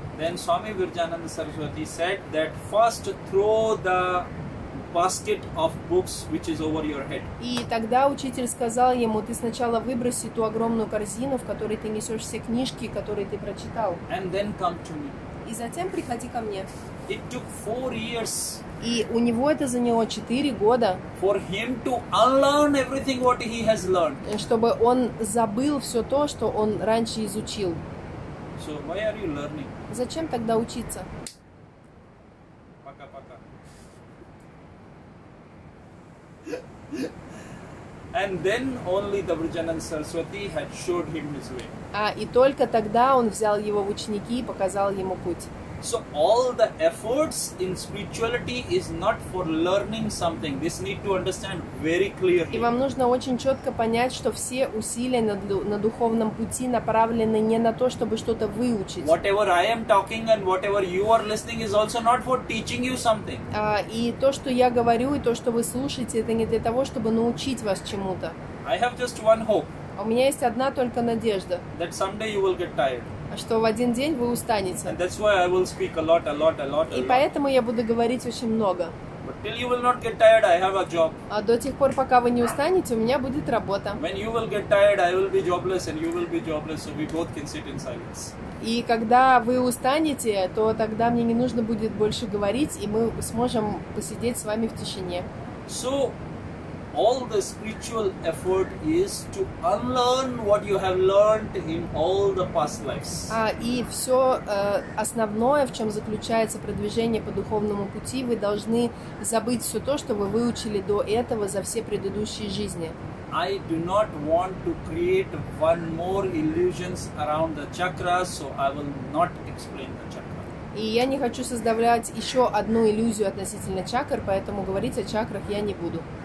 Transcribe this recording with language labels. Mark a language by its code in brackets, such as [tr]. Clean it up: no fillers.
[en] Then Swami Virjananda Saraswati said that first throw the basket of books which is over your head. [ru] И тогда учитель сказал ему: ты сначала выброси ту огромную корзину, в которой ты несешь все книжки, которые ты прочитал. [en] And then come to me. [ru] И затем приходи ко мне. [en] It took 4 years. [ru] И у него это заняло 4 года. [en] For him to unlearn everything what he has learned. [ru] Чтобы он забыл все то, что он раньше изучил. [en] So why are you learning? [ru] Зачем тогда учиться? [en] And then only the Vrijananda Saraswati had showed him his way. [ru] А и только тогда он взял его в ученики и показал ему путь. [en] So all the efforts in spirituality is not for learning something. This need to understand very clearly. [ru] И вам нужно очень четко понять, что все усилия на духовном пути направлены не на то, чтобы что-то выучить. [en] Whatever I am talking and whatever you are listening is also not for teaching you something. [ru] И то, что я говорю, и то, что вы слушаете, это не для того, чтобы научить вас чему-то. [en] I have just one hope. [ru] У меня есть одна только надежда. [en] That someday you will get tired. [ru] Что в один день вы устанете. [en] And that's why I will speak a lot, a lot, a lot. [ru] И поэтому я буду говорить очень много. [en] But till you will not get tired, I have a job. [ru] А до тех пор, пока вы не устанете, у меня будет работа. [en] When you will get tired, I will be jobless and you will be jobless, so we both can sit in silence. [ru] И когда вы устанете, то тогда мне не нужно будет больше говорить, и мы сможем посидеть с вами в тишине. [en] So all the spiritual effort is to unlearn what you have learned in all the past lives. [ru] И все основное, в чем заключается продвижение по духовному пути, вы должны забыть все то, что вы выучили до этого за все предыдущие жизни. [en] I do not want to create one more illusions around the chakra, so I will not explain the chakra. [ru] И я не хочу создавать еще одну иллюзию относительно чакр, поэтому говорить о чакрах я не буду.